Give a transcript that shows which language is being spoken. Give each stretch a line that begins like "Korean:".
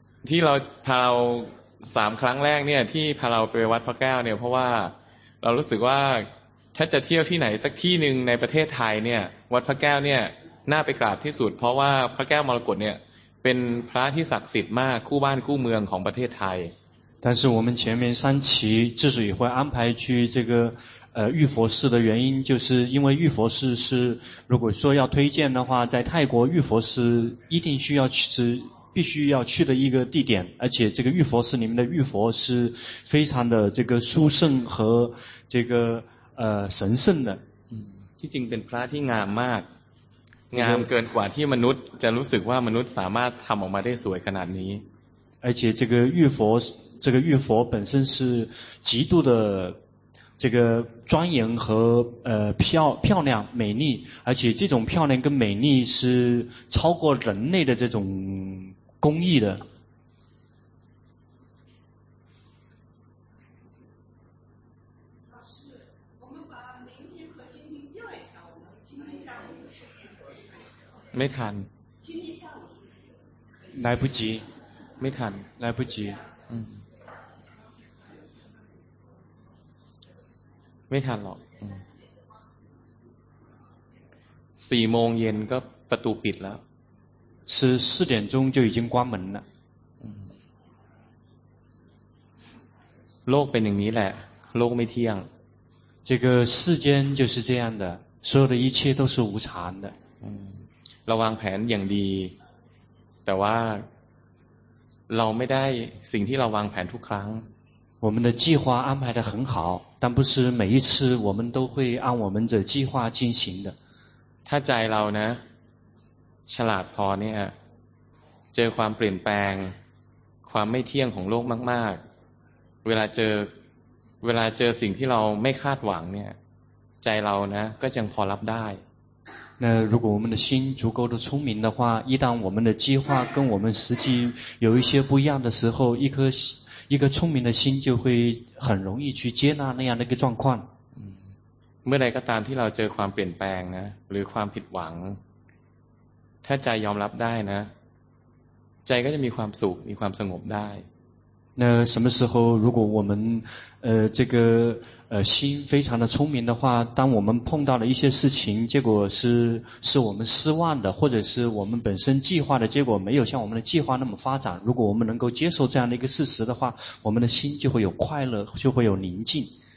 Thai: ที่เราพาเราสามครั้งแรกเนี่ยที่พาเราไปวัดพระแก้วเนี่ยเพราะว่าเรารู้สึกว่าถ้าจะเที่ยวที่ไหนสักที่หนึ่งในประเทศไทยเนี่ยวัดพระแก้วเนี่ยน่าไปกราบที่สุดเพราะว่าพระแก้วมรกตเนี่ยเป็นพระที่ศักดิ์สิทธิ์มากคู่บ้านคู่เมืองของประเทศไทย
Chinese: 但是我们前面三期之所以会安排去这个玉佛寺的原因，就是因为玉佛寺是如果说要推荐的话，在泰国玉佛寺一定需要去是必须要去的一个地点，而且这个玉佛寺里面的玉佛是非常的这个殊胜和这个神圣的。
Thai: ที่จริงเป็นพระที่งามมากงามเกินกว่าที่มนุษย์จะรู้สึกว่ามนุษย์สามารถทำออกมาได้สวยขนาดนี้。
Chinese: 而且这个玉佛这个玉佛本身是极度的这个庄严和漂亮美丽，而且这种漂亮跟美丽是超过人类的这种工艺的。没谈。来不及。没谈。来不及。
Thai: ไม่ทันหรอก4โมงเย็นก็ประตูปิดแล้ว
Chinese: 是4点钟就已经关门了
Thai: โลกเป็นอย่างนี้แหละโลกไม่เที่ยง
Chinese: 这个世间就是这样的所有的一切都是无常的
Thai: เราวางแผนอย่างดีแต่ว่าเราไม่ได้สิ่งที่เราวางแผนทุกครั้ง
Chinese: 我们的计划安排得很好但不是每一次我们都会按我们的计划进行的
Thai: ถ้าใจเรานะฉลาดพอเนี่ยเจอความเปลี่ยนแปลงความไม่เที่ยงของโลกมากๆเวลาเจอสิ่งที่เราไม่คาดหวังเนี่ยใจเรานะก็ยังพอรับได้
Chinese: 那如果我们的心足够的聪明的话一旦我们的计划跟我们实际有一些不一样的时候一颗聪明的心就会很容易去接纳那样的一个状况
Thai: เมื่อใดก็ตามที่เราเจอความเปลี่ยนแปลงนะหรือความผิดหวังถ้าใจยอมรับได้นะใจก็จะมีความสุขมีความสงบได้
Chinese: 那什么时候如果我们这个心非常的聪明的话当我们碰到了一些事情结果是我们失望的或者是我们本身计划的结果没有像我们的计划那么发展如果我们能够接受这样的一个事实的话我们的心就会有快乐就会有宁静